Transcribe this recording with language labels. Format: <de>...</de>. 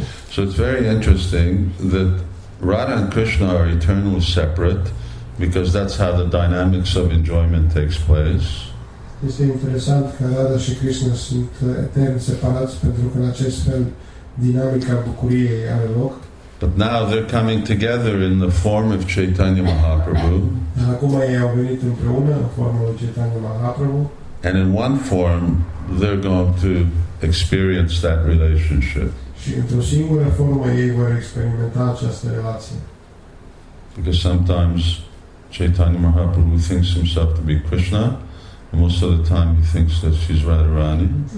<en>So it's very interesting that Radha and Krishna are eternally separate, because that's how the dynamics of enjoyment takes place.</en> <ro>Este interesant că Radha și Krishna sunt etern separați pentru că în acest fel dinamica bucuriei are loc.</ro> <en>But now they're coming together in the form of Chaitanya Mahaprabhu.</en> <ro>Dar acum ei au venit împreună în forma lui Chaitanya Mahaprabhu.</ro> <en>And in one form they're going to experience that relationship.</en> <ro>Și într-o singură formă ei vor experimenta această relație.</ro> <en>Because sometimes Chaitanya Mahaprabhu thinks himself to be Krishna. Most of the time he thinks that she's Radharani.</en>